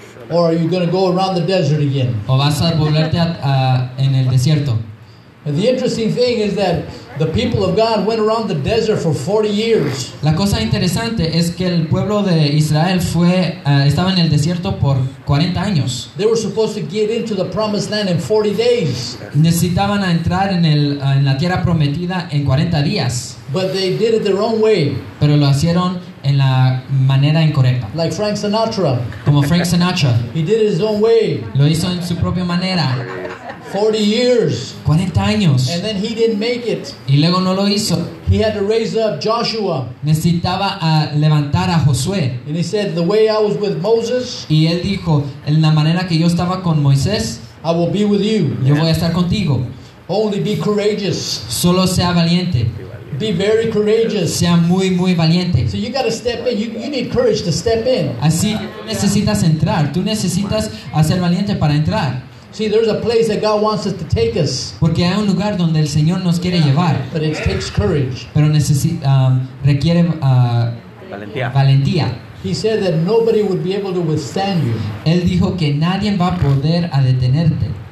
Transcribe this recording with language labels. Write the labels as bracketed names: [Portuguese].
[English] Or are you going to go around the desert again? [Spanish] ¿O vas a volverte en el desierto? [English] The interesting thing is that the people of God went around the desert for 40 years. [Spanish] La cosa interesante es que el pueblo de Israel estaba en el desierto por 40 años. [English] They were supposed to get into the promised land in 40 days. [Spanish] Necesitaban entrar en la tierra prometida en 40 días. [English] But they did it their own way. [Spanish] Pero lo hicieron en la manera incorrecta. [English] Like Frank Sinatra. [Spanish] Como Frank Sinatra. [English] He did it his own way. [Spanish] Lo hizo en su propia manera. [English] 40 years. [Spanish] 40 años. [English] And then he didn't make it. [Spanish] Y luego no lo hizo. [English] He had to raise up Joshua. [Spanish] Necesitaba a levantar a Josué. [English] And he said, the way I was with Moses. [Spanish] Y él dijo, en la manera que yo estaba con Moisés. [English] I will be with you. [Spanish] Yo voy a estar contigo. [English] Only be courageous. [Spanish] Solo sea valiente. [English] Be very courageous. [Spanish] Sea muy, muy valiente. [English] So you got to step in. You need courage to step in. [Spanish] Así necesitas entrar. Tú necesitas ser valiente para entrar. [English] See, there's a place that God wants us to take us. [Spanish] Porque hay un lugar donde el Señor nos quiere llevar. [English] But it takes courage. [Spanish] Pero requiere valentía. [English] He said that nobody would be able to withstand you. [Spanish] Él dijo que nadie va a poder a detenerte.